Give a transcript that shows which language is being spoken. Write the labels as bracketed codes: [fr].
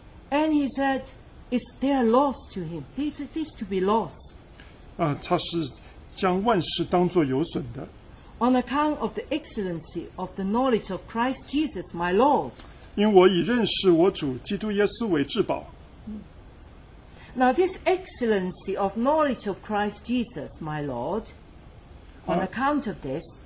[en] And he said Is there loss to him? This to be lost [zh] 他是将万事当作有损的 [en] On account of the excellency of the knowledge of Christ Jesus, my Lord [zh] 因我已认识我主基督耶稣为至宝 [en] Now this excellency of knowledge of Christ Jesus, my Lord, on account of this,